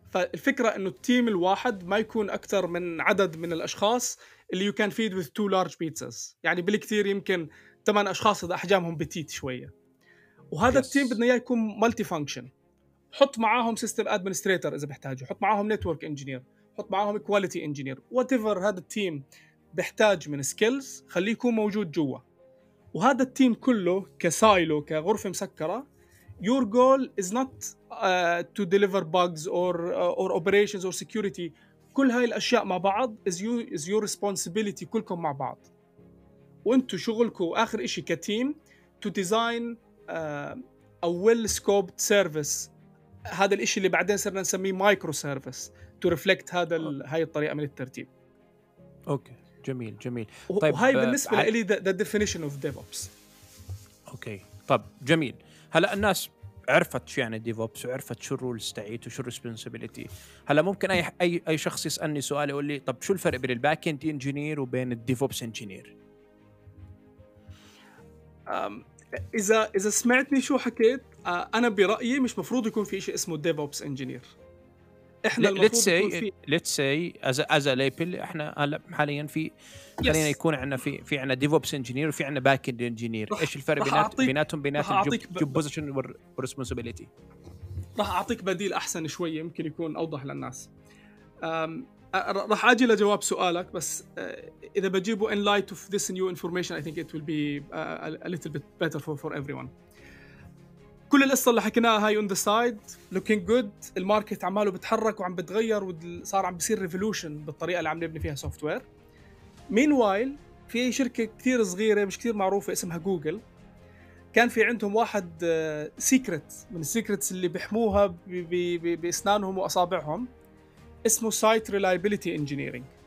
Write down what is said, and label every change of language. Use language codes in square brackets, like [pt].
[ar] فالفكره انه التيم الواحد ما يكون اكثر من عدد من الاشخاص اللي [en] you can feed with two large pizzas, [ar] يعني بالكثير يمكن 8 اشخاص اذا احجامهم بتيت شويه. وهذا التيم بدنا اياه يكون مالتي فانكشن، حط معاهم سيستم ادمنستريتور اذا بحتاجه، حط معاهم نتورك انجينير، حط معاهم كواليتي انجينير، واتيفر هذا التيم بيحتاج من سكيلز خليه يكون موجود جوا. وهذا التيم كله كسايلو كغرفه مسكره، [en] your goal is not to deliver bugs or operations or security. [ar] كل هاي الاشياء مع بعض [en] is your responsibility [ar] كلكم مع بعض، وانتو شغلكم اخر اشي كتيم [en] to design a well scoped service. [ar] هذا الاشي اللي بعدين صرنا نسميه مايكرو سيرفيس [en] to reflect [ar] هذا هاي الطريقه من الترتيب. اوكي جميل جميل. طيب وهاي بالنسبه لي [en] the definition of DevOps. [ar] اوكي طب جميل. هلا الناس عرفت شو يعني ديفوبس وعرفت شو الرول تاعيت وشو الريسبونسابيلتي. هلا ممكن اي شخص يسالني سؤال يقول لي طب شو الفرق بين الباك اند انجينير وبين الديفوبس انجينير؟ اذا سمعتني شو حكيت، انا برايي مش مفروض يكون في شيء اسمه ديفوبس انجينير. احنا [en] let's say as a label، [ar] احنا حاليا في خلينا يكون عندنا في عندنا ديفوبس انجينير وفي عندنا باك اند انجينير، ايش الفرق بيناتهم الجوب بوزيشن والريسبونسابيلتي؟ راح اعطيك بديل احسن شويه يمكن يكون اوضح للناس. راح اجي لجواب سؤالك، بس اذا بجيبه [en] in light of this new information I think it will be a little bit better for everyone. [ar] كل القصة اللي حكيناها هاي [en] on the side looking good، [ar] الماركت عماله بتحرك وعم بتغير وصار عم بيصير revolution بالطريقة اللي عم نبني فيها software. meanwhile في شركة كتير صغيرة مش كتير معروفة اسمها جوجل، كان في عندهم واحد secret من secrets اللي بيحموها بأسنانهم وأصابعهم اسمه site reliability engineering.